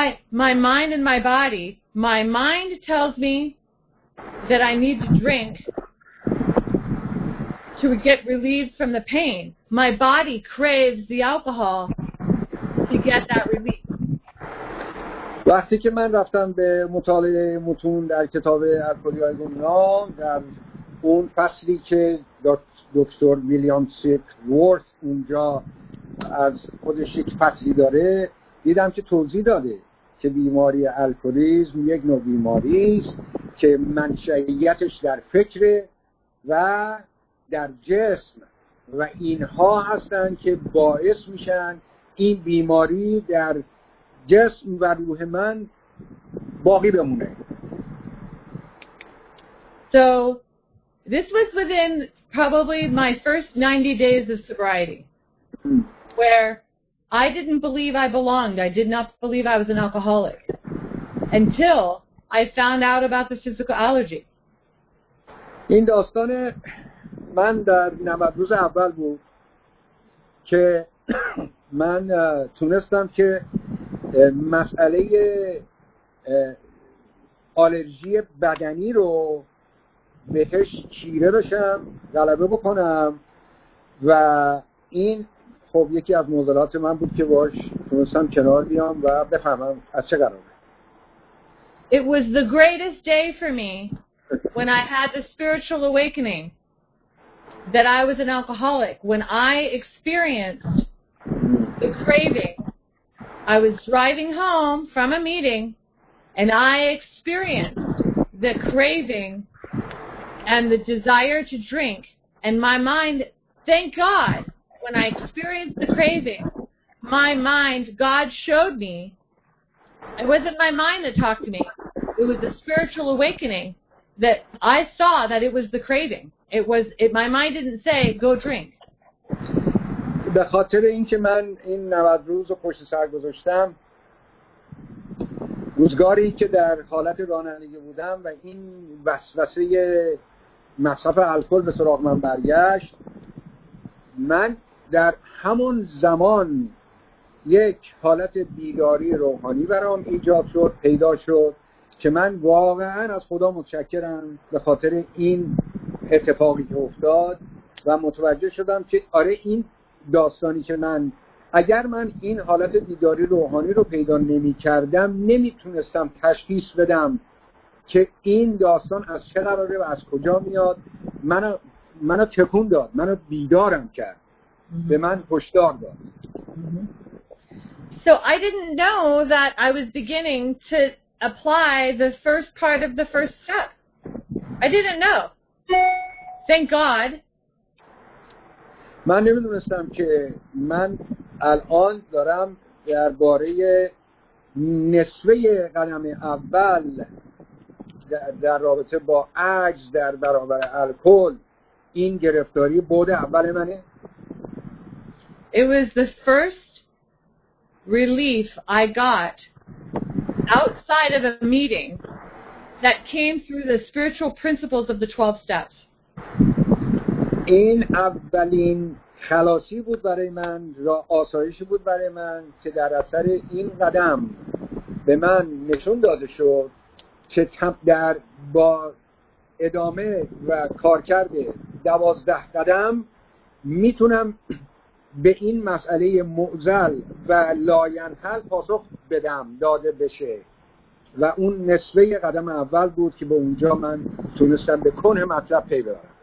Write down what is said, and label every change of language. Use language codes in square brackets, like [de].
[en] My mind tells me that I need to drink to get relieved from the pain. My body craves the alcohol to get that relief. [fa] وقتی که من رفتم به مطالعه متون در کتاب الکلیای گمنام، در اون فصلی که دکتر ویلیام سیلکورث اونجا از خودش یک فصلی داره، دیدم که توضیح داده که بیماری الکلیسم یک نوع بیماری است که منشأیتش در فکر و در جسم و اینها هستن که باعث میشن این بیماری در جسم و روح من باقی بمونه. [en] So this was within probably my first 90 days of sobriety where I didn't believe I belonged. I did not believe I was an alcoholic until I found out about the physical allergy. [fa] این داستان من در 90 روز اول بود که من تونستم که مسئله آلرژی بدنی رو بهش چیره بشم، غلبه بکنم و این خب یکی از معضلات من بود که باش تونستم کنار بیام و بفهمم از چه قراره. [en] It was the greatest day for me when I had the spiritual awakening that I was an alcoholic, when I experienced the craving, I was driving home from a meeting, and I experienced the craving and the desire to drink, and my mind, thank God, when I experienced the craving, my mind, God showed me, it wasn't my mind that talked to me, it was the spiritual awakening that I saw that it was the craving. It was, it, my mind didn't say, go drink. [fa] به خاطر اینکه من این 90 روز رو پشت سر گذاشتم، روزگاری که در حالت رانندگی بودم و این وسوسه مصرف الکل به سراغ من برگشت، من در همون زمان یک حالت بیداری روحانی برام ایجاد شد، پیدا شد که من واقعا از خدا متشکرم به خاطر این اتفاقی که افتاد و متوجه شدم که آره این داستانی که من، اگر من این حالت بیداری روحانی رو پیدا نمی کردم، نمی تونستم تشخیص بدم که این داستان از چه قراره و از کجا میاد. منو تکون داد، منو بیدارم کرد، به من هشدار داد. [en] So I didn't know that I was beginning to apply the first part of the first step. I didn't know. Thank God. [fa] من نمیدونستم که من الان دارم درباره نصفه قدم اول در رابطه با عجز در برابر الکل، این گرفتاری بود اول منه. [en] It was the first relief I got outside of a meeting that came through the spiritual principles of the 12 steps. [fa] این اولین خلاصی بود برای من، را آسایشی بود برای من که در اثر این قدم به من نشون داده شد که در با ادامه و کار کرده 12 قدم میتونم به این مسئله معضل و لاینحل پاسخ بدم، داده بشه، و اون نصفه قدم اول بود که به اونجا من تونستم به کنه مطلب پی ببرم.